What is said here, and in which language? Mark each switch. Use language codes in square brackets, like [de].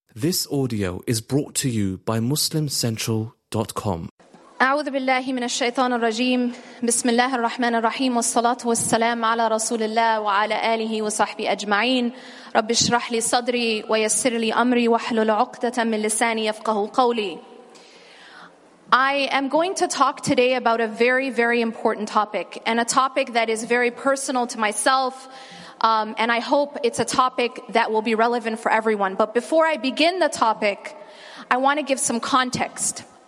[en] This audio is brought to you by MuslimCentral.com. [ar] أعوذ بالله من الشيطان الرجيم. بسم الله الرحمن الرحيم والصلاة والسلام على رسول الله وعلى آله وصحبه أجمعين. رب اشرح لي صدري ويسر لي أمري واحلل عقدة من لساني يفقه قولي. [en] I am going to talk today about a very, very important topic, and a topic that is very personal to myself. And I hope it's a topic that will be relevant for everyone. But before I begin the topic, I want to give some context.